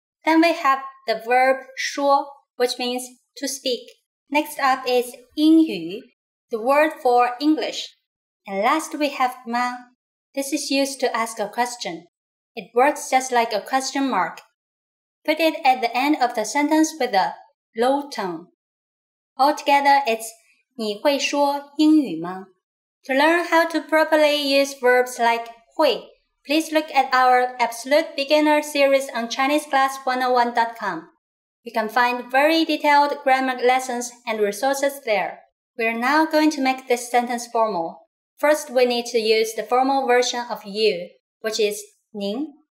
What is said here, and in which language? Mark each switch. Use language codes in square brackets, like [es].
[en] Then we have the verb 说, which means to speak. Next up is 英语, the word for English. And last we have 吗?This is used to ask a question. It works just like a question mark. Put it at the end of the sentence with a low tone. Altogether, it's [zh] 你会说英语吗? [en] To learn how to properly use verbs like 会, please look at our Absolute Beginner series on ChineseClass101.com. You can find very detailed grammar lessons and resources there. We are now going to make this sentence formal. First, we need to use the formal version of you, which is 您.